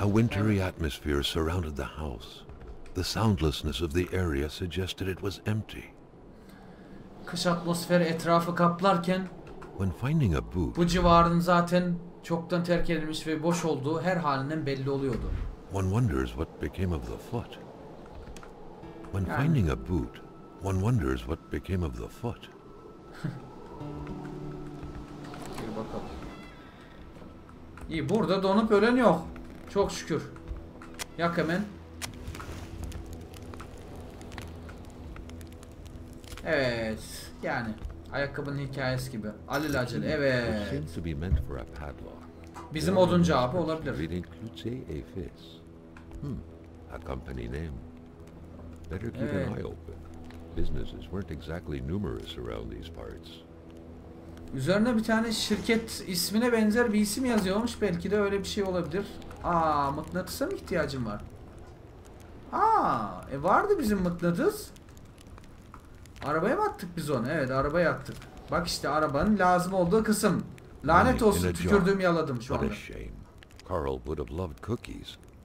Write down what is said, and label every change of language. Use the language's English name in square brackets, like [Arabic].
[English] A wintry atmosphere surrounded the house. The soundlessness of the area suggested it was empty. [Turkish] Kış atmosferi etrafı kaplarken [English] when finding a boot, [Turkish] bu civarın zaten çoktan terk edilmiş ve boş olduğu her halinden belli oluyordu. [English] One wonders what became of the foot. When yani. Finding a boot, one wonders what became of the foot. [Turkish] Gir bakalım. İyi, burada donup ölen yok. Çok şükür. Yak hemen. Evet, yani ayakkabının hikayesi gibi. Alil acele, evet. [English] Seems to be meant for a padlock. [Turkish] Bizim oduncu abi olabilir. [English] Reading Clute Aphis. A company name. Better keep an eye open. Businesses weren't exactly numerous around these parts. [Turkish] Üzerine bir tane şirket ismine benzer bir isim yazıyormuş. Belki de öyle bir şey olabilir. Aa, mıknatısa mı ihtiyacım var? Aa, vardı bizim mıknatıs. Arabaya mı attık biz onu? Evet, arabaya attık. Bak işte arabanın lazım olduğu kısım. Lanet olsun, tükürdüğümü yaladım şu anda. [English] Carl would have loved cookies.